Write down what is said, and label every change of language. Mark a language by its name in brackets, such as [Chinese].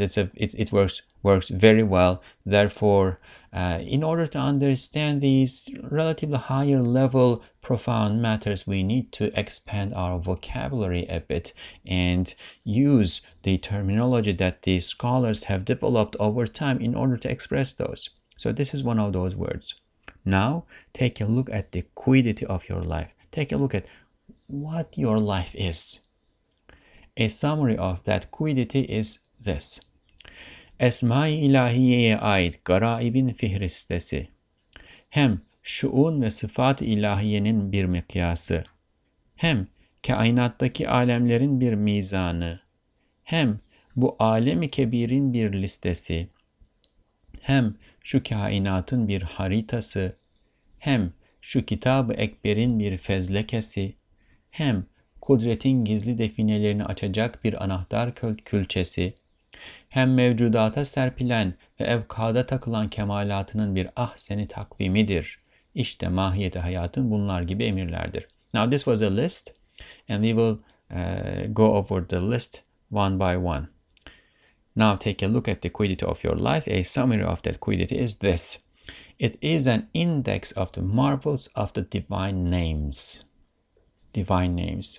[English] It works very well. Therefore, in order to understand these relatively higher level profound matters, we need to expand our vocabulary a bit and use the terminology that the scholars have developed over time in order to express those. So this is one of those words. Now, take a look at the quiddity of your life. Take a look at what your life is. A summary of that quiddity is this. [Turkish] Esma-i ilahiyeye ait garaibin fihristesi. Hem şuun ve sıfat-ı ilahiyenin bir mikyası. Hem kainattaki alemlerin bir mizanı. Hem bu alem-i kebirin bir listesi. Hem şu kainatın bir haritası. Hem şu kitab-ı ekberin bir fezlekesi. Hem kudretin gizli definelerini açacak bir anahtar külçesi. Hem mevcudata serpilen ve evkada takılan kemalatının bir ahseni takvimidir. İşte mahiyeti hayatın bunlar gibi emirlerdir. [English] Now this was a list and we will go over the list one by one. Now take a look at the quiddity of your life. A summary of that quiddity is this. It is an index of the marvels of the divine names. Divine names.